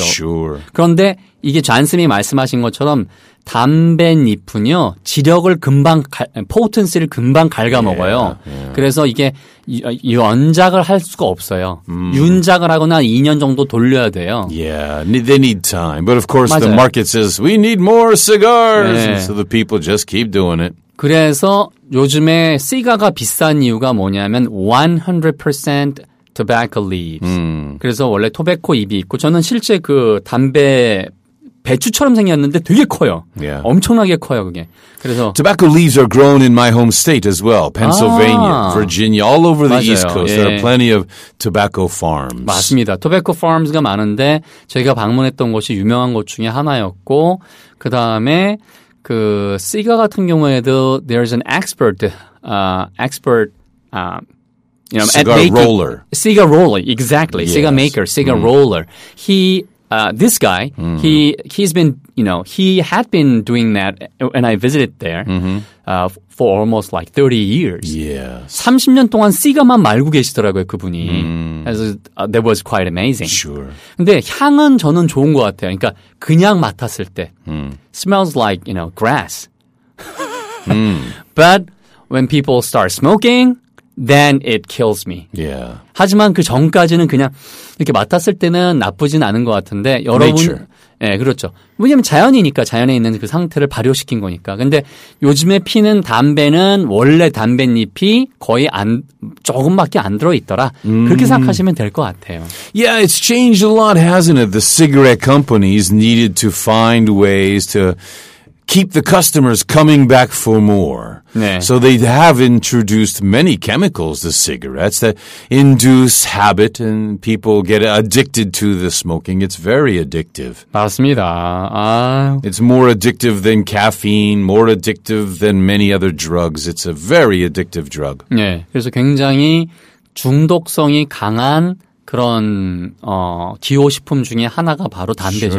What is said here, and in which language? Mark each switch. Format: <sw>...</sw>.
<en>Sure.</en> <ko>그런데 이게 잔쌤이 말씀하신 것처럼 담배잎은요, 지력을 금방, 포텐시를 금방 갉아먹어요.</ko> <en>Yeah, yeah.</en> <ko>그래서 이게 연작을 할 수가 없어요. 윤작을 하거나 2년 정도 돌려야 돼요.</ko> <en>Yeah, they need time. But of course</en> <ko>맞아요.</ko> <en>the market says, we need more cigars.</en> <ko>네.</ko> <en>So the people just keep doing it.</en> <ko>그래서 요즘에 시가가 비싼 이유가 뭐냐면</ko> <en>100% tobacco leaves.</en> <ko>그래서 원래 토베코 잎이 있고 저는 실제 그 담배 배추처럼 생겼는데 되게 커요.</ko> <en>Yeah.</en> <ko>엄청나게 커요 그게. 그래서</ko> <en>tobacco leaves are grown in my home state as well. Pennsylvania, 아, Virginia, all over the</en> <ko>맞아요.</ko> <en>East Coast. There are plenty of tobacco farms.</en> <ko>맞습니다. tobacco farms가 많은데 제가 방문했던 곳이 유명한 곳 중에 하나였고 그다음에 그 시가 같은 경우에도</ko> <en>there's an expert you know cigar maker, roller cigar roller exactly yes. cigar maker cigar roller he this guy he's been you know he had been doing that and I visited there for almost like 30 years yes</en> <ko>30년 동안 시가만 말고 계시더라고요 그분이</ko> <en>as that was quite amazing sure</en> <ko>근데 향은 저는 좋은 것 같아요 그러니까 그냥 맡았을 때</ko> <en>smells like you know grass but when people start smoking then it kills me yeah</en> <ko>하지만 그 전까지는 그냥 이렇게 맡았을 때는 나쁘진 않은 것 같은데 여러분</ko> <en>Nature.</en> <ko>예, 네, 그렇죠. 왜냐면 자연이니까, 자연에 있는 그 상태를 발효시킨 거니까. 근데 요즘에 피는 담배는 원래 담뱃잎이 거의 안, 조금밖에 안 들어있더라. 그렇게 생각하시면 될 것 같아요.</ko> <en>Yeah, it's changed a lot, hasn't it? The cigarette companies needed to find ways to keep the customers coming back for more.</en> <ko>네.</ko> <en>So they have introduced many chemicals to cigarettes that induce habit and people get addicted to the smoking. It's very addictive.</en> <ko>맞습니다. 아.</ko> <en>It's more addictive than caffeine, more addictive than many other drugs. It's a very addictive drug.</en> <ko>네. 그래서 굉장히 중독성이 강한 그런 기호식품 중에 하나가 바로 담배죠.</ko>